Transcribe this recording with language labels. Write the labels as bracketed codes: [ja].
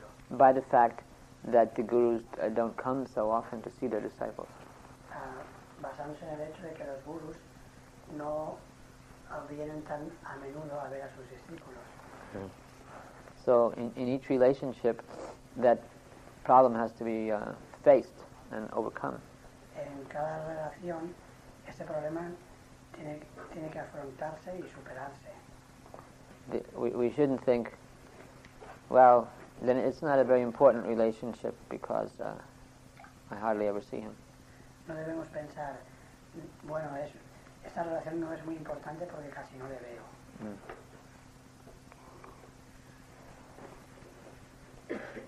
[en] By the fact that the gurus don't come so often to see their disciples. [es] Basándose en el hecho de que los gurus no vienen tan a menudo a ver a sus discípulos. [en] So in each relationship, that problem has to be faced and overcome. [es] En cada relación, este problema tiene que afrontarse y superarse. [en] We shouldn't think, well, then it's not a very important relationship because I hardly ever see him. [es] No debemos pensar, bueno, esta relación no es muy importante porque casi no le veo.